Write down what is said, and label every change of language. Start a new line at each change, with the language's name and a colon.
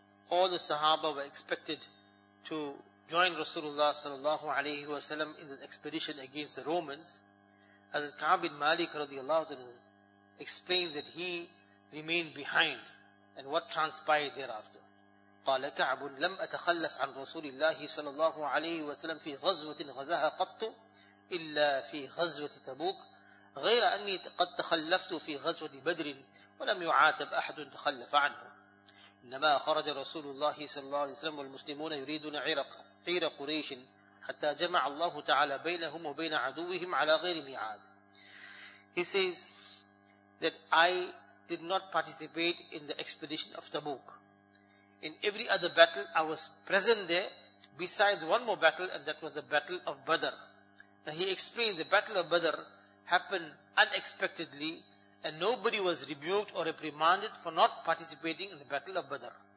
English: All the Sahaba were expected to join Rasulullah sallallahu alayhi wa sallam in the expedition against the Romans. Hazrat Ka'ab bin Malik radiallahu anhu explains that he remained behind and what transpired thereafter.
Arabic: قال كعب لم أتخلف عن رسول الله صلى الله عليه وسلم في غزوة غزاها قط إلا في غزوة تبوك غير أني قد تخلفت في غزوة بدر ولم يعاتب أحد تخلف عنه إنما خرج رسول الله صلى الله عليه وسلم والمسلمون يريدون عير قريش حتى جمع الله تعالى بينهم وبين عدوهم على غير ميعاد.
English: He says that I did not participate in the expedition of Tabuk. In every other battle I was present there besides one more battle, and that was the battle of Badr. Now he explains the battle of Badr happened unexpectedly and nobody was rebuked or reprimanded for not participating in the battle of Badr.